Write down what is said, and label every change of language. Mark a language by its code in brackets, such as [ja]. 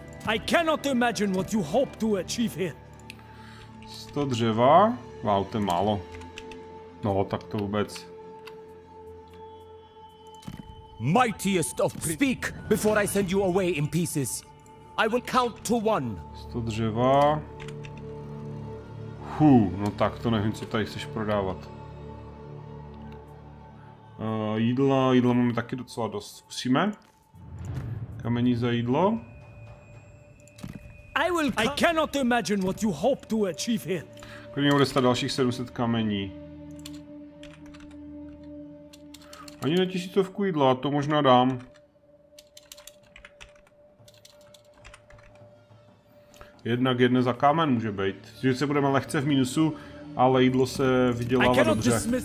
[en] I cannot imagine what you hope to achieve here. [cs] 100 dřeva. Wow, to je málo. No, tak to vůbec. [en] Mightiest of priests, speak before I send you away in pieces. I will count to one. [cs] 100 dřeva. No tak to nevím, co tady chceš prodávat. Jídla máme taky docela dost. Zkusíme. Kamení za jídlo. [en] I cannot imagine what you hope to achieve here. [cs] Klidně bude stát dalších 700 kamení. Ani na tisícovku jídla, to možná dám. Jednak jedne za kámen může být. Že se budeme lehce v minusu, ale jídlo se vydělává dobře.